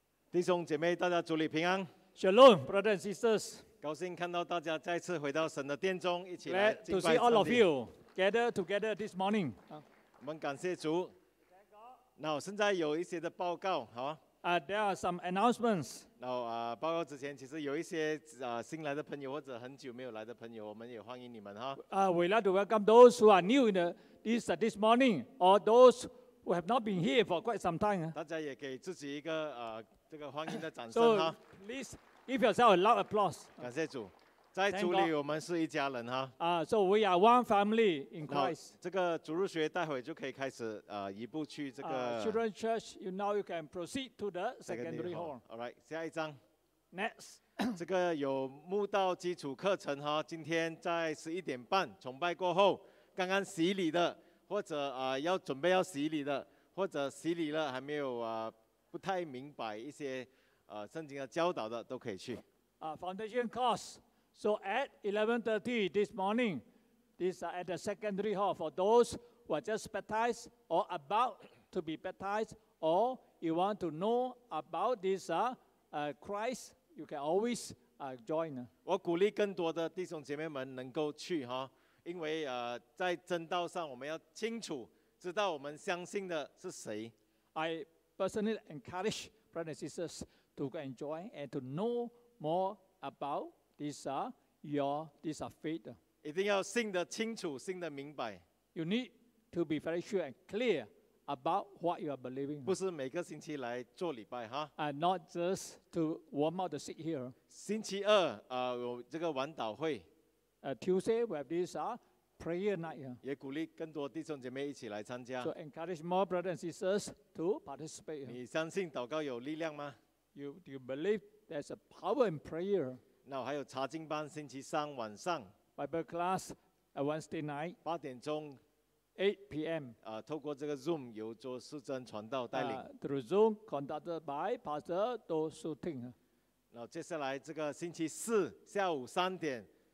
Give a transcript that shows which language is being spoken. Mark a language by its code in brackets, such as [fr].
[zh] 弟兄姐妹，大家主里平安。 [en] Shalom, brothers and sisters. [zh] 高兴看到大家再次回到神的殿中，一起来敬拜上帝。 [en] Glad to see all of you gathered together this morning. [zh] 我们感谢主。那现在有一些的报告，好 [en] 啊。There are some announcements. [zh] 那报告之前，其实有一些新来的朋友或者很久没有来的朋友，我们也欢迎你们哈。 [en] We'd like to welcome those who are new in this morning, or those who have not been here for quite some time. [zh] 大家也给自己一个这个欢迎的掌声哈。 [en] So, please give yourself a loud applause. [zh] 感谢主，在主里我们是一家人哈。 [en] So we are one family in Christ. [zh] 这个主日学待会就可以开始一步去这个。 [en] Children church, you now you can proceed to the secondary hall. All right, [zh] 下一章。 [en] Next. [zh] 这个有慕道基础课程哈，今天在11:30崇拜过后，刚刚洗礼的或者要准备要洗礼的，或者洗礼了还没有不太明白一些圣经的教导的，都可以去。 [en] Foundation course. So at 11:30 this morning, this at the secondary hall for those who are just baptized or about to be baptized, or you want to know about this Christ, you can always join. [zh] 我鼓励更多的弟兄姐妹们能够去哈，因为在真道上我们要清楚知道我们相信的是谁。 [en] I personally encourage brothers and sisters to go and join and to know more about this this faith. [zh] 一定要信得清楚，信得明白。 [en] You need to be very sure and clear about what you are believing. [zh] 不是每个星期来做礼拜哈。 [en] And not just to warm up the seat here. [zh] 星期二有这个晚祷会。 [en] Tuesday we have this prayer night. [zh] 也鼓励更多弟兄姐妹一起来参加。 [en] So encourage more brothers and sisters to participate. [zh] 你相信祷告有力量吗？ [en] Do you believe there's a power in prayer? [zh] 那还有查经班星期三晚上。 [en] Bible class on Wednesday night. [zh] 八点钟。 [en] 8 p.m. [zh] 透过这个 Zoom 由周淑珍传道带领。 [en] Through Zoom conducted by Pastor Do Su Ting. [zh] 那接下来这个星期四下午三点。